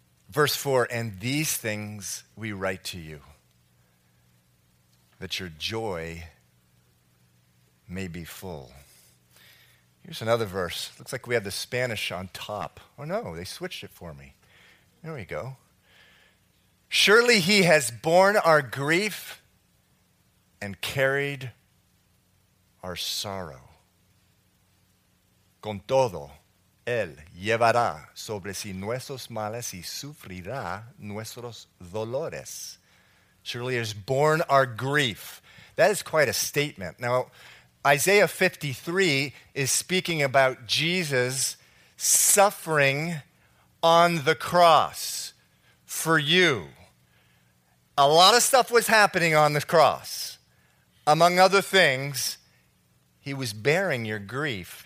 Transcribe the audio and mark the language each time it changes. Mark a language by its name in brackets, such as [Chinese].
[English] Verse 4, and these things we write to you, that your joy may be full. Here's another verse. Looks like we have the Spanish on top. Oh no, they switched it for me. There we go. Surely he has borne our grief and carried our sorrow. [Spanish] con todo, Él llevará sobre sí nuestros males y sufrirá nuestros dolores. [English] Surely has borne our grief. That is quite a statement. Now, Isaiah 53 is speaking about Jesus suffering on the cross for you. A lot of stuff was happening on the cross. Among other things, he was bearing your grief.